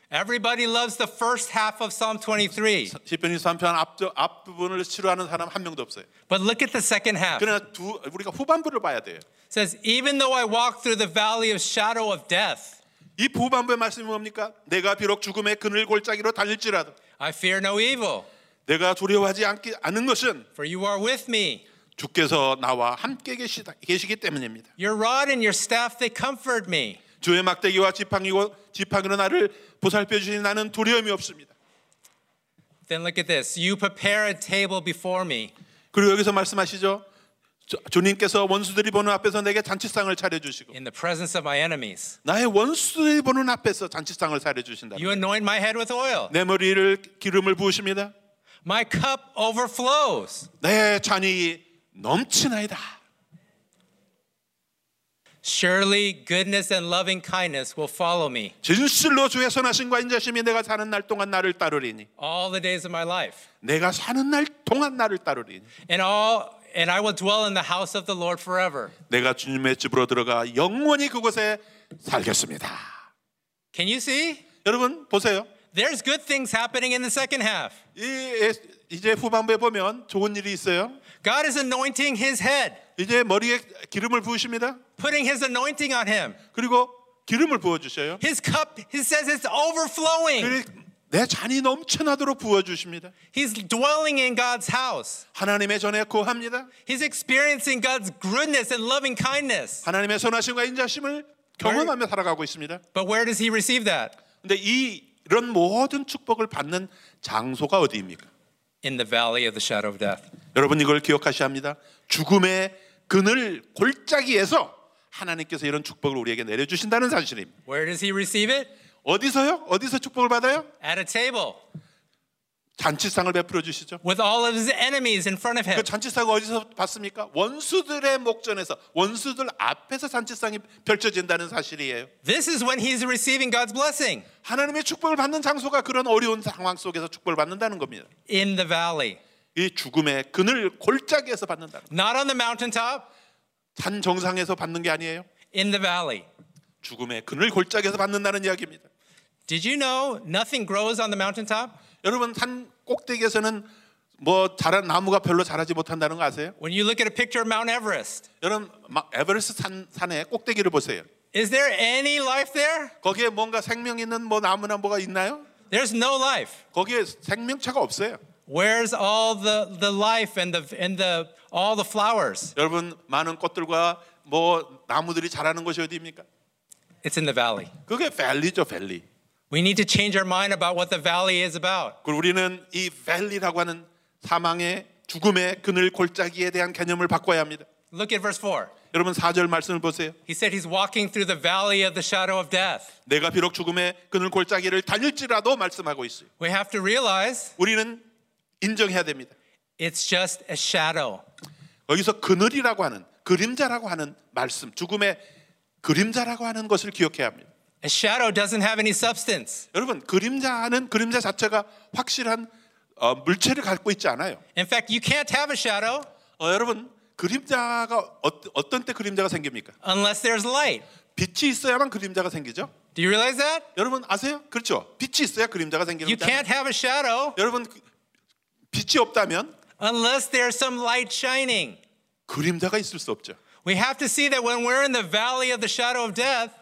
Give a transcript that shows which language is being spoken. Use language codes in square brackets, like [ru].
[en] Everybody loves the first half of Psalm 23. [ko] 시편 23편 앞 부분을 싫어하는 사람 한 명도 없어요. [en] But look at the second half. [ko] 그러나 우리가 후반부를 봐야 돼요. [en] Says even though I walk through the valley of shadow of death. [ko] 이 후반부의 말씀이 뭡니까? 내가 비록 죽음의 그늘 골짜기로 다닐지라도 [en] I fear no evil. [ko] 내가 두려워하지 않는 것은 [en] For you are with me. [ko] 주께서 나와 함께 계시기 때문입니다. [en] Your rod and your staff they comfort me. [ko] 주의 막대기와 지팡이로 나를 보살펴 주시니 나는 두려움이 없습니다. [en] Then look at this. You prepare a table before me. [ko] 그리고 여기서 말씀하시죠. 주님께서 원수들이 보는 앞에서 내게 잔치상을 차려 주시고 [en] In the presence of my enemies. [ko] 나의 원수들이 보는 앞에서 잔치상을 차려 주신다. [en] You anoint my head with oil. [ko] 내 머리를 기름을 부으십니다. [en] My cup overflows. [ko] 내 잔이 넘치나이다. [en] Surely goodness and loving kindness will follow me. [ko] 진실로 주의 선하심과 인자심이 내가 사는 날 동안 나를 따르리니. [en] All the days of my life. [ko] 내가 사는 날 동안 나를 따르리니. [en] And I will dwell in the house of the Lord forever. [ko] 내가 주님의 집으로 들어가 영원히 그곳에 살겠습니다. [en] Can you see? [ko] 여러분 보세요. [en] There's good things happening in the second half. [ko] 이제 후반부에 보면 좋은 일이 있어요. [en] God is anointing his head. [ko] 이제 머리에 기름을 부으십니다. [en] Putting his anointing on him. [ko] 그리고 기름을 부어주셔요. [en] His cup, he says it's overflowing. [ko] 내 잔이 넘쳐나도록 부어주십니다. [en] He's dwelling in God's house. [ko] 하나님의 전에 거합니다. [en] He's experiencing God's goodness and loving kindness. [ko] 하나님의 선하심과 인자심을 경험하며 살아가고 있습니다. [en] But where does he receive that? [ko] 근데 이런 모든 축복을 받는 장소가 어디입니까? [en] In the valley of the shadow of death. [ko] 여러분 이걸 기억하셔야 합니다. 죽음의 그늘 골짜기에서 하나님께서 이런 축복을 우리에게 내려주신다는 사실입니다. [en] Where does he receive it? [ko] 어디서요? 어디서 축복을 받아요? [en] At a table. [ko] 잔치상을 베풀어 주시죠. [en] With all of his enemies in front of him. [ko] 그 잔치상을 어디서 받습니까? 원수들의 목전에서, 원수들 앞에서 잔치상이 펼쳐진다는 사실이에요. [en] This is when he's receiving God's blessing. [ko] 하나님의 축복을 받는 장소가 그런 어려운 상황 속에서 축복을 받는다는 겁니다. [en] In the valley. [ko] 이 죽음의 그늘 골짜기에서 받는다. [en] Not on the mountaintop. [ko] 산 정상에서 받는 게 아니에요. [en] In the valley. [ko] 죽음의 그늘 골짜기에서 받는다는 이야기입니다. [en] Did you know nothing grows on the mountaintop? [ko] 여러분 산 꼭대기에서는 뭐 자란 나무가 별로 자라지 못한다는 거 아세요? [en] When you look at a picture of Mount Everest. [ko] 여러분 에베레스트 산의 꼭대기를 보세요. [en] Is there any life there? [ko] 거기에 뭔가 생명 있는 뭐 나무나 뭐가 있나요? [en] There's no life. [ko] 거기에 생명체가 없어요. [en] Where's all the life and the all the flowers? [ko] 여러분 많은 꽃들과 뭐 나무들이 자라는 곳이 어디입니까? [en] It's in the valley. [ko] 그게 밸리죠, 밸리. [en] We need to change our mind about what the valley is about. [ko] 우리는 이 밸리라고 하는 사망의 죽음의 그늘 골짜기에 대한 개념을 바꿔야 합니다. [en] Look at verse 4. [ko] 여러분 4절 말씀을 보세요. [en] He said he's walking through the valley of the shadow of death. [ko] 내가 비록 죽음의 그늘 골짜기를 다닐지라도 말씀하고 있어요. [en] We have to realize [ko] 우리는 인정해야 됩니다. [en] It's just a shadow. [ko] 여기서 그늘이라고 하는 그림자라고 하는 말씀, 죽음의 그림자라고 하는 것을 기억해야 합니다. [en] A shadow doesn't have any substance. [ko] 여러분, 그림자는 그림자 자체가 확실한 물체를 갖고 있지 않아요. [en] In fact, you can't have a shadow. [ko] 여러분, 그림자가 어떤 때 그림자가 생깁니까? [en] Unless there's light. [ko] 빛이 있어야만 그림자가 생기죠. [en] Do you realize that? [ko] 여러분 아세요? 그렇죠. 빛이 있어야 그림자가 생기는 거예요. [en] You can't have a shadow. [ko] 여러분 빛이 없다면 [en] unless there's some light shining. [ko] 그림자가 있을 수 없죠. [en] We have to see that when we're in the valley of the shadow of death.